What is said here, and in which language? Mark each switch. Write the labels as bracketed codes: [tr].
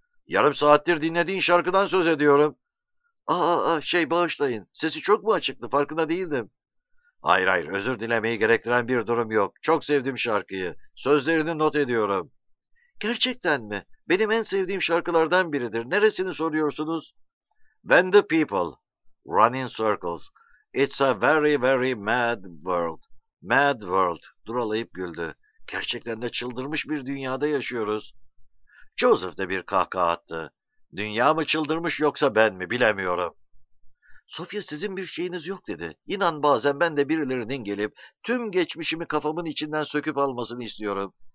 [tr] Yarım saattir dinlediğin şarkıdan söz ediyorum. Bağışlayın. Sesi çok mu açıktı? Farkında değildim. Hayır, özür dilemeyi gerektiren bir durum yok. Çok sevdim şarkıyı. Sözlerini not ediyorum. Gerçekten mi? Benim en sevdiğim şarkılardan biridir. Neresini soruyorsunuz? [en] When the people run in circles. It's a very very mad world. [tr] Mad World, duralayıp güldü. Gerçekten de çıldırmış bir dünyada yaşıyoruz. Joseph de bir kahkaha attı. Dünya mı çıldırmış yoksa ben mi bilemiyorum. Sofya, sizin bir şeyiniz yok dedi. İnan bazen ben de birilerinin gelip tüm geçmişimi kafamın içinden söküp almasını istiyorum.